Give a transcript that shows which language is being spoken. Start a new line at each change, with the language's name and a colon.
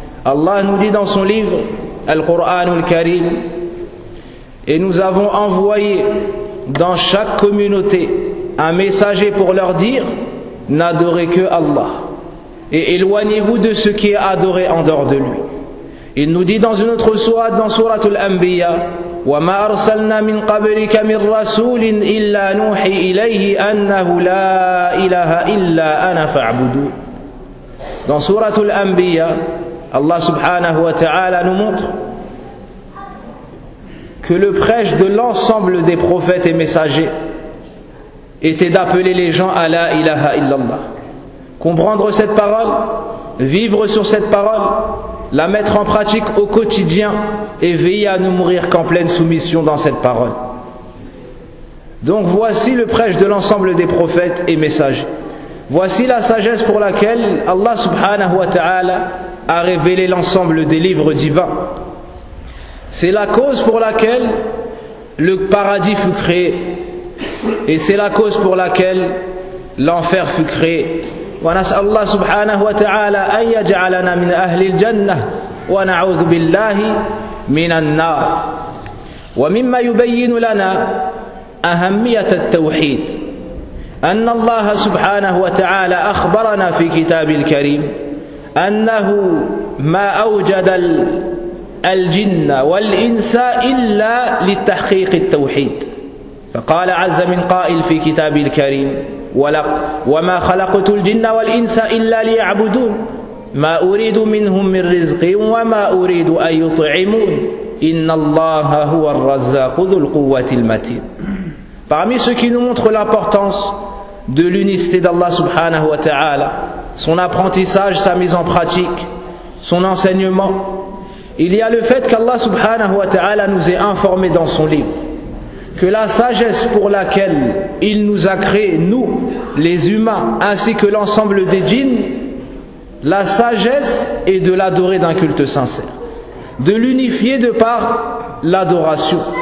French: Allah nous dit dans son livre, Al-Qur'an al-Karim, et nous avons envoyé dans chaque communauté un messager pour leur dire, n'adorez que Allah, et éloignez-vous de ce qui est adoré en dehors de lui. Il nous dit dans une autre sourate, dans sourate Al-Anbiya,
Arabic: وَمَا أَرْسَلْنَا مِنْ قَبْلِكَ مِنْ رَسُولٍ إِلَّا نُوحِي إِلَيْهِ أَنَّهُ لَا إِلَهَ إِلَّا أَنَا فَاعْبُدُوا.
French: Dans sourate Al-Anbiya, Allah subhanahu wa ta'ala nous montre que le prêche de l'ensemble des prophètes et messagers était d'appeler les gens à la ilaha illallah. Comprendre cette parole, vivre sur cette parole, la mettre en pratique au quotidien et veiller à ne mourir qu'en pleine soumission dans cette parole. Donc voici le prêche de l'ensemble des prophètes et messagers. Voici la sagesse pour laquelle Allah subhanahu wa ta'ala a révélé l'ensemble des livres divins. C'est la cause pour laquelle le paradis fut créé. Et c'est la cause pour laquelle l'enfer fut créé.
Arabic: ونسأل الله سبحانه وتعالى أن يجعلنا من أهل الجنة ونعوذ بالله من النار ومما يبين لنا أهمية التوحيد أن الله سبحانه وتعالى أخبرنا في كتاب الكريم أنه ما أوجد الجن والإنس إلا لتحقيق التوحيد فقال عز من قائل في كتاب الكريم وما خلقت الجن والإنس إلا ليعبدون ما أريد منهم من رزق وما أريد أن يطعمون إن الله هو الرزاق ذو القوة المتين.
French: Parmi ce qui nous montre l'importance de l'unicité d'Allah subhanahu wa ta'ala, son apprentissage, sa mise en pratique, son enseignement, il y a le fait qu'Allah subhanahu wa ta'ala nous ait informé dans son livre que la sagesse pour laquelle il nous a créés, nous, les humains, ainsi que l'ensemble des djinns, la sagesse est de l'adorer d'un culte sincère, de l'unifier de par l'adoration.